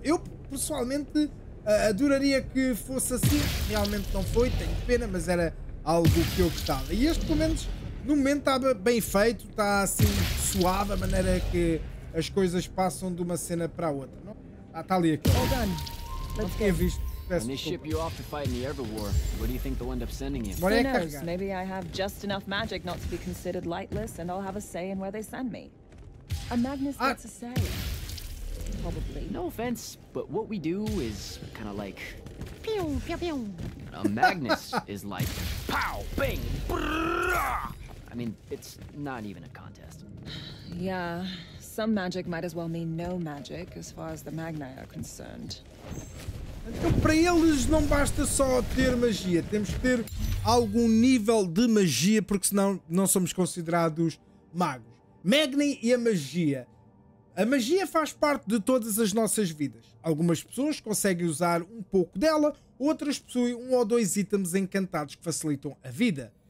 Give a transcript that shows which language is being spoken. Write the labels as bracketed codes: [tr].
[pt] Eu, pessoalmente, adoraria que fosse assim. Realmente não foi, tenho pena, mas era... algo que eu gostava. E este, pelo menos, no momento estava bem feito. Está assim, suave, a maneira que as coisas passam de uma cena para a outra. Não? Ah, está ali aquilo. [en] Well done. Let's go. [pt] Quando este desculpa. [en] Ship you off to fight in the Everwar, what do you think they'll end up sending you? Who knows? Maybe I have just enough magic not to be considered lightless and I'll have a say in where they send me. A Magnus gets a say. Probably. No offense, but what we do is kind of like... Pew, pew, pew. A Magnus is like pow, bing, brrrr. I mean, it's not even a contest. Yeah, some magic might as well mean no magic as far as the Magni are concerned. [pt] Então, para eles não basta só ter magia, temos que ter algum nível de magia, porque senão não somos considerados magos. Magni e a magia. A magia faz parte de todas as nossas vidas. Algumas pessoas conseguem usar um pouco dela, outras possuem um ou dois itens encantados que facilitam a vida.